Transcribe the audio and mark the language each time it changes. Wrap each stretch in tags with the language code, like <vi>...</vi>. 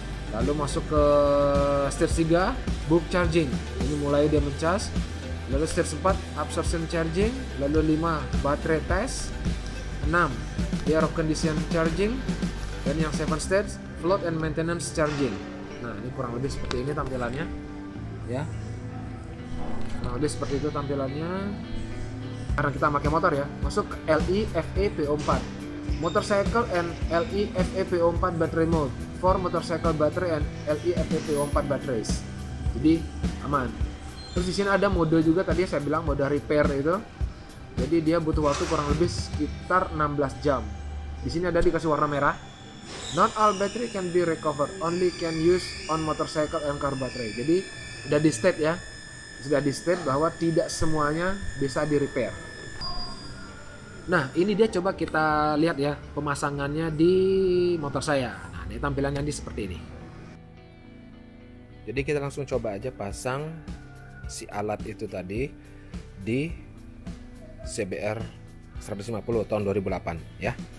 <id>Lalu masuk ke stage 3, bulk charging. Ini mulai dia mencas. Lalu stage 4, absorption charging. Lalu 5, battery test. 6, air condition charging. Dan yang 7 stage, float and maintenance charging. Nah, ini kurang lebih seperti ini tampilannya. Ya. Kurang lebih seperti itu tampilannya. Karena kita pakai motor ya. Masuk ke LEFAPO4.</id> <en>Motorcycle and LEFAPO4 battery mode. For motorcycle battery and LEFAPO4 batteries.</en> <id>Jadi aman. Terus di sini ada mode juga, tadi saya bilang mode repair itu. Jadi dia butuh waktu kurang lebih sekitar 16 jam. Di sini ada dikasih warna merah.</id> <en>Not all battery can be recovered, only can use on motorcycle and car battery.</en> <id>Jadi sudah di state ya. Sudah di state bahwa tidak semuanya bisa di repair. Nah, ini dia, coba kita lihat ya pemasangannya di motor saya. Ini tampilannya di seperti ini. Jadi kita langsung coba aja pasang si alat itu tadi di CBR 150 tahun 2008 ya.</id>